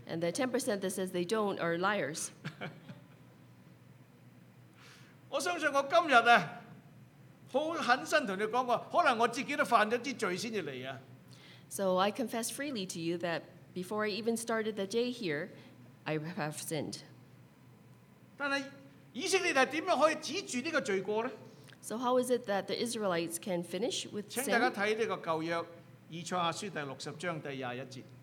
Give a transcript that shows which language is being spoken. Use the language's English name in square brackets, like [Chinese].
[English] And the 10% that says they don't are liars。 [Chinese] 我相信我今日啊。好狠心同你講過，可能我自己都犯咗啲罪先至嚟啊。 [English] So I confess freely to you that before I even started the day here, I have sinned. [Chinese] 但係以色列係點樣可以止住呢個罪過咧 [English] ？So how is it that the Israelites can finish with sin？ [Chinese] 請大家睇呢個舊約以賽亞書第六十章第廿一節。